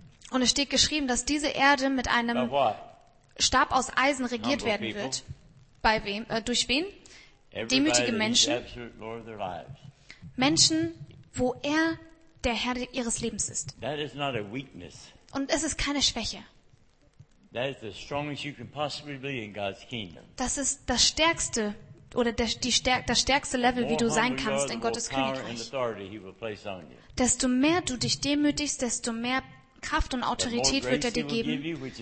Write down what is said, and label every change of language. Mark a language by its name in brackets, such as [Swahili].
[German] Und es steht geschrieben, dass diese Erde mit einem Stab aus Eisen regiert werden wird. Bei wem? Durch wen? Demütige Menschen, wo er der Herr ihres Lebens ist. [English] That is not a weakness. [German] Und es ist keine Schwäche. [English] That is the strongest you can possibly be in God's kingdom. [German] Das ist das stärkste oder das stärkste Level, wie du sein kannst in Gottes Königreich. Desto mehr du dich demütigst, desto mehr Kraft und Autorität wird er dir geben.